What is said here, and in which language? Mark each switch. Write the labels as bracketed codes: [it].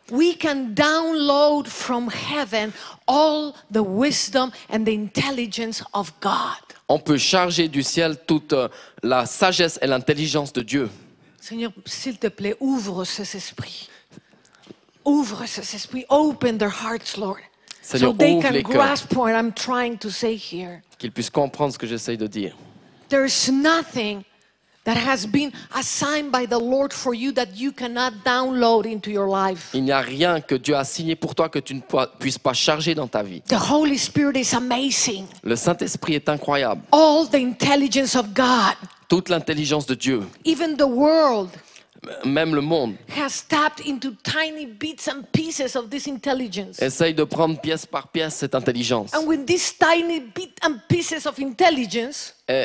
[en] We can download from heaven all the wisdom and the intelligence of God. [fr] On peut charger du ciel toute la sagesse et l'intelligence de Dieu. Seigneur, s'il te plaît, ouvre ces esprits. Ouvre ces esprits. [en] Open their hearts, Lord. [fr] Seigneur, [en] so they can grasp what I'm trying to say here. [fr] Qu'ils puissent comprendre ce que j'essaie de dire. [en] There is nothing that has been assigned by the Lord for you that you cannot download into your life. [fr] Il n'y a rien que Dieu a signé pour toi que tu ne puisses pas charger dans ta vie. [en] The Holy Spirit is amazing. [fr] Le Saint-Esprit est incroyable. [en] All the intelligence of God. [fr] Toute l'intelligence de Dieu. [en] Even the world. [fr] Même le monde. [en] Has tapped into tiny bits and pieces of this intelligence. [fr] Essaye de prendre pièce par pièce cette intelligence. [en] And with these tiny bits and pieces of intelligence.